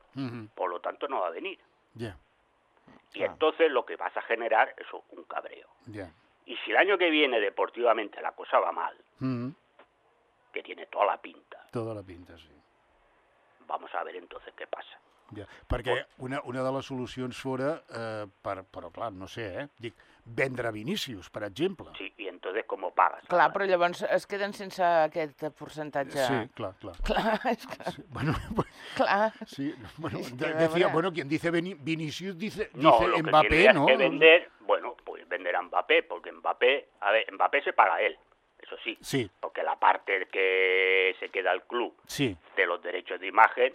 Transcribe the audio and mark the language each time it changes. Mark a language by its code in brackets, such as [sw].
[es] Uh-huh. Por lo tanto, no va a venir. Ya. Yeah. Y entonces lo que vas a generar es un cabreo. Yeah. Y si el año que viene deportivamente la cosa va mal, mm-hmm, que tiene toda la pinta. Toda la pinta, sí. Vamos a ver entonces qué pasa. Yeah. [ca] Perquè una de les solucions fora, però clar, no sé, dic, vendre Vinicius, per exemple. Sí, i entonces com ho pagues? Clar, però llavors es queden sense aquest percentatge. Sí, clar, clar. Clar, és clar. Sí, clar. [es] Sí, bueno, decía, bueno, quien dice Vinicius dice no, dice Mbappé, ¿no? No, lo que tiene es que vender, bueno, pues vender a Mbappé, porque Mbappé, a ver, Mbappé se paga él, eso sí. Sí. Porque la parte que se queda al club, sí, de los derechos de imagen,